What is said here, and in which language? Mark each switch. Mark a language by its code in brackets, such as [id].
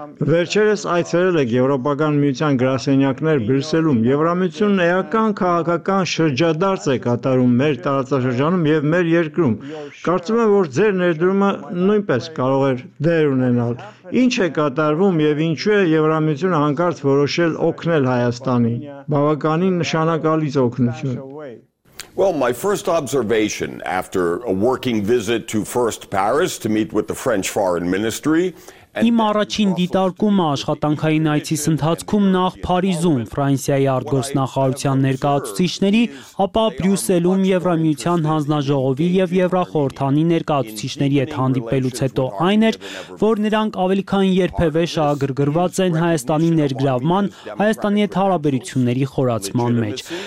[hy] Վերջերս այցելել եք Եվրոպական միության գրասենյակներ Բրյուսելում։ Եվրամիությունն էական քաղաքական շրջադարձ է կատարում մեր տարածաշրջանում և մեր երկրում։ Կարծում եմ, որ ձեր ներդրումը նույնպես կարող էր դեր ունենալ։ Ինչ է կատարվում և ինչու է Եվրամիությունը հանկարծ որոշել օգնել Հայաստանին, բավականին նշանակալից օգնություն։ [en] Well, my first observation after a working visit to first Paris to meet with the French Foreign Ministry. [hy] Իմ առաջին դիտարկումը աշխատանքային այցիս ընթացքում նախ Փարիզում Ֆրանսիայի արտգործնախարարության ներկայացուցիչների, ապա Բրյուսելում Եվրամիության հանձնաժողովի և Եվրախորհրդանի ներկայացուցիչների հետ հանդիպելուց հետո այն էր, որ նրանք ավելի քան երբևէ շահագրգռված են Հայաստանի ներգրավման, Հայաստանի հետ հարաբերությունների խորացման մեջ։